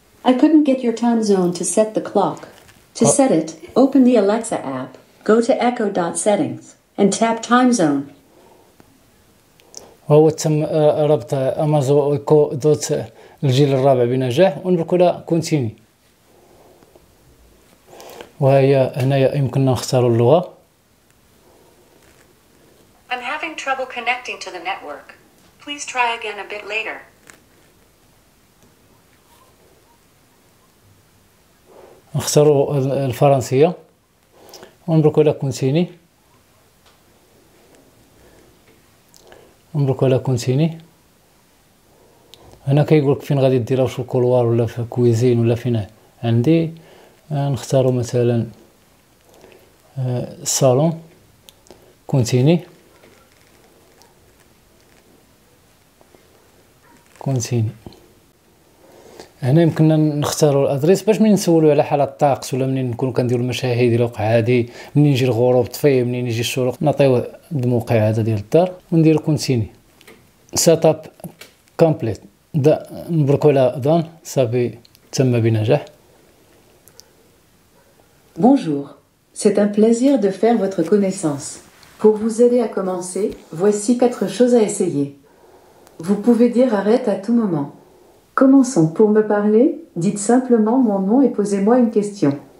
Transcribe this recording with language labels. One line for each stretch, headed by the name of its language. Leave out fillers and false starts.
English: I couldn't get your time zone to set the clock. To set it, open the Alexa app, go to echo.settings and tap time zone.
Arabic: هو تم ربط امازو ايكو دوت الجيل الرابع بنجاح، ونبركو على كونتيني. وهي هنايا يمكننا نختار اللغه.
English: I'm having trouble connecting to the network. Please try again a bit later.
Arabic: نختاروا الفرنسية ونبركو لك كونتيني نبركو لك كونتيني. هنا كيقول لك فين غادي ديرها، في الكولوار ولا في الكويزين ولا فين. عندي نختاروا مثلا الصالون كونتيني كونتيني. هنا يمكننا نختاروا الادريس باش منين نسولوا على حاله الطقس، ولا منين نكونوا كنديروا المشاهد الى وقع عادي، منين يجي الغروب طفي، منين يجي الشروق، نعطيو الموقع هذا ديال الدار وندير كونتيني.
English: سيت اب كومبليت.
Arabic: نبركوا على دون صافي، تم بنجاح.
French: Bonjour, c'est un plaisir de faire votre connaissance. Pour vous aider à commencer, voici quatre choses à essayer. Vous pouvez dire arrête à tout moment. Commençons. Pour me parler, dites simplement mon nom et posez-moi une question.